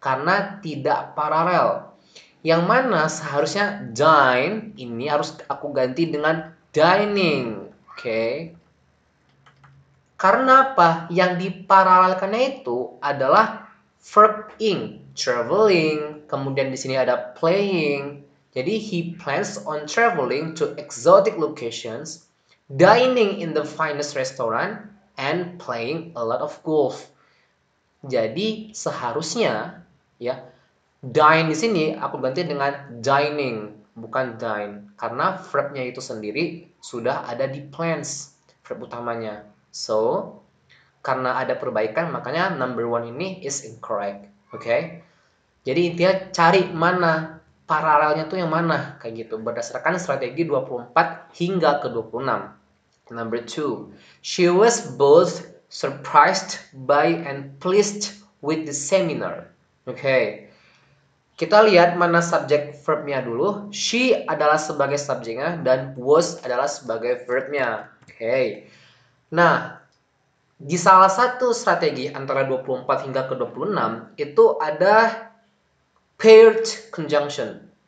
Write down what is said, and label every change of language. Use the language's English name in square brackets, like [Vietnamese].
[Indonesian] Karena tidak paralel. Yang mana seharusnya dine ini harus aku ganti dengan dining. Okay. Karena apa? Yang diparalelkannya itu adalah verb-ing, traveling. Kemudian di sini ada playing. [English] Jadi he plans on traveling to exotic locations, dining in the finest restaurant, and playing a lot of golf. [Indonesian] Jadi seharusnya ya dine di sini aku ganti dengan dining, bukan dine, karena verbnya itu sendiri sudah ada di plans, verb utamanya. So karena ada perbaikan, makanya number one ini is incorrect. Okay? Jadi intinya cari mana paralelnya tuh, yang mana, kayak gitu, berdasarkan strategi 24 hingga ke 26. [English] Number two, she was both surprised by and pleased with the seminar. [Indonesian] Okay. Kita lihat mana subject verbnya dulu. She adalah sebagai subjeknya dan was adalah sebagai verbnya. Okay. Nah, di salah satu strategi antara 24 hingga ke 26 itu ada paired conjunction.